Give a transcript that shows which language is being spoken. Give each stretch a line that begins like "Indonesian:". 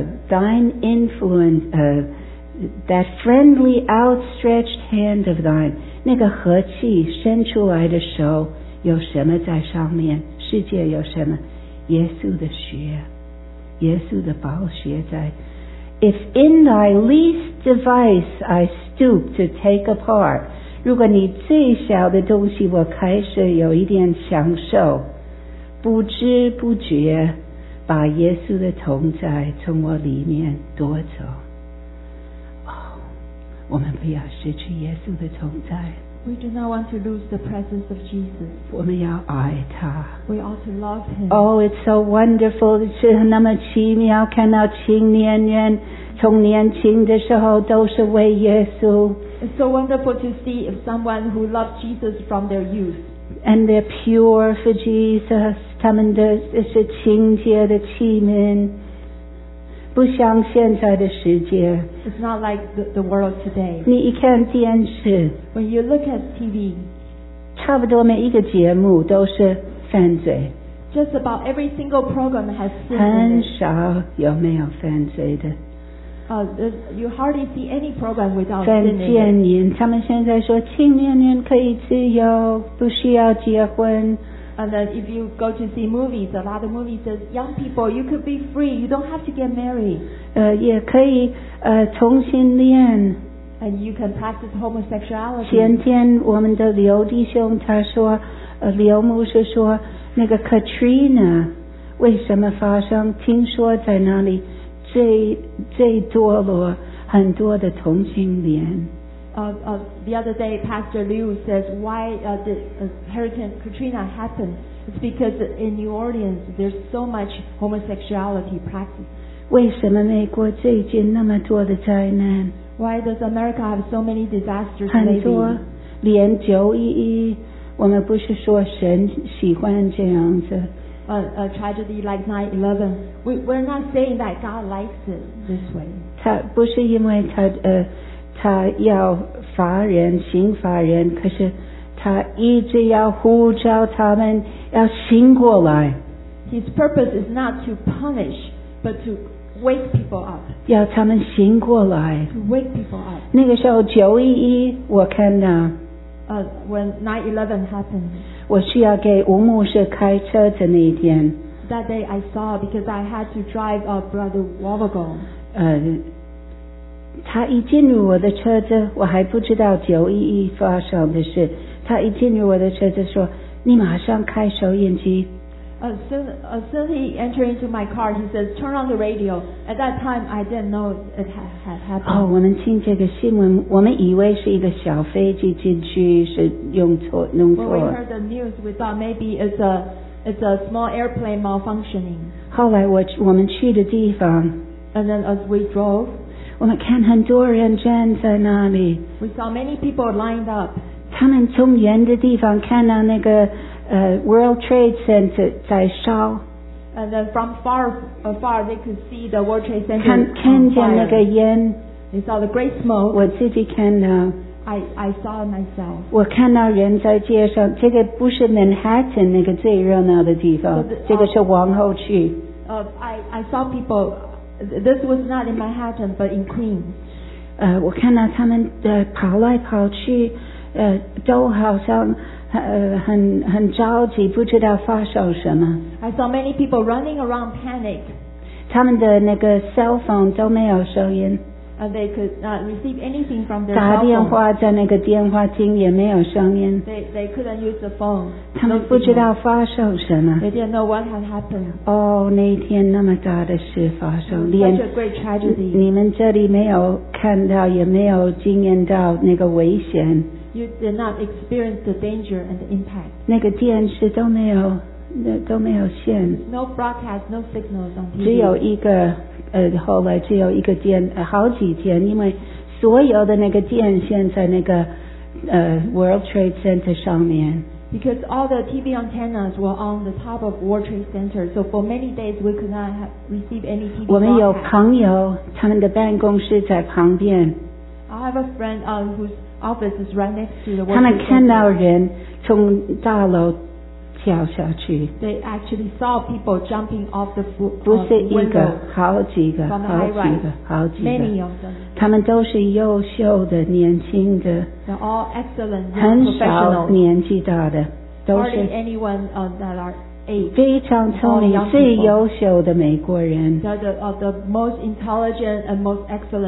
English: Thine influence, that friendly outstretched hand of thine.
Chinese: 那个和气伸出来的手，有什么在上面？世界有什么？耶稣的血，耶稣的宝血在。
English: If in thy least device I stoop to take apart,
Chinese: 如果你最小的东西我开始有一点享受，不知不觉把耶稣的同在从我里面夺走。 Oh, 我们不要失去耶稣的同在。
English: We do not want to lose the presence of Jesus.
Chinese: 我们要爱他。
English: We ought to love him. Oh, it's so wonderful.
Chinese: 是那么奇妙，看到青年人从年轻的时候都是为耶稣。
English: It's so wonderful to see if someone who loved Jesus from their youth. And they're pure for Jesus.
Chinese: 他们的是清洁的器皿。不像现在的世界。
English: It's not like the world today.
Chinese: 你一看电视。
English: When you look at TV,
Chinese: 差不多每一个节目都是犯罪。
English: Just about every single program has sin.
Chinese: 很少有没有犯罪的。
English: You hardly see any program without sin.
Chinese: 犯贱人，他们现在说青年人可以自由，不需要结婚。
English: And then if you go to see movies, a lot of movies says, young people, you could be free. You don't have to get married.
Chinese: 也可以同性恋。
English: And you can practice homosexuality.
Chinese: 前天我们的刘弟兄他说，刘牧师说，那个 Katrina 为什么发生？听说在那里最堕落很多的同性恋。
English: The other day, Pastor Liu says, why Hurricane Katrina happened? It's because in New Orleans, there's so much homosexuality practice.
Chinese: 为什么美国最近那么多的灾难?
English: Why does America have so many disasters?
Chinese: 很多，连911，我们不是说神喜欢这样子。
English: A tragedy like 9/11. We're not saying that God likes it this way.
Chinese: 他不是因为他他要罚人，刑罚人，可是他一直要呼召他们要醒过来。
English: His purpose is not to punish, but to wake people up.
Chinese: 要他们醒过来。
English: To wake people up.
Chinese: 那个时候911，我看到。
English: When 9/11 happened.
Chinese: 我需要给吴牧师开车的那一天。
English: That day I saw because I had to drive a brother Wobbago.
Chinese: 他一进入我的车子，我还不知道911发生的事。他一进入我的车子说：“你马上开收音机。”
English: soon he entered into my car, he says, "Turn on the radio." At that time, I didn't know it had happened.
Chinese: 哦，我们听这个新闻，我们以为是一个小飞机进去，是弄错。
English: When we heard the news, we thought maybe it's a small airplane malfunctioning.
Chinese: 后来我们去的地方。
English: And then as we drove.
Chinese: 我们看很多人站在那里。
English: We saw many people lined up.
Chinese: 他们从远的地方看到那个World Trade Center 在烧。
English: And then from far, they could see the World Trade Center.
Chinese: 看见那个烟。
English: They saw the great smoke.
Chinese: 我自己看到。
English: I saw myself.
Chinese: 我看到人在街上，这个不是 Manhattan 那个最热闹的地方，这个是皇后区。
English: I saw people. This was not in Manhattan, but in Queens.
Chinese: 我看到他们跑来跑去，都好像很着急，不知道发生什么。
English: I saw many people running around, panic.
Chinese: 他们的那个 cell phone 都没有收音。
English: And they could not receive anything from their
Chinese: 打电话在那个电话厅也没有声音。
English: They couldn't use the phone.
Chinese: 他们不知道发生什么。
English: They didn't know what had happened.
Chinese: Oh, 那天那么大的事发生。
English: Such a great tragedy.
Chinese: 你们这里没有看到也没有经验到那个危险。
English: You did not experience the danger and the impact.
Chinese: 那个电视都没有线。
English: No broadcast, no signals on TV.
Chinese: 只有一个。后来只有一个电，好几天， 因为所有的那个电线在那个 World Trade Center 上面。
English: Because all the TV antennas were on the top of World Trade Center, so for many days we could not receive any TV.
Chinese: 我们有朋友，他们的办公室在旁边。
English: I have a friend whose office is right next to the World Trade
Chinese: Center. 他们看到人从大楼。跳下去,
English: they actually saw people jumping off the window.
Chinese: 不是一个, 好几个,
English: from the high rise. Many of them.
Chinese: 他们都是优秀的, 年轻的,
English: they're all excellent.
Chinese: 很少年纪大的, 都是,
English: hardly anyone that are eight.
Chinese: 非常聪明, 最优秀的美国人,
English: the most intelligent and most excellent.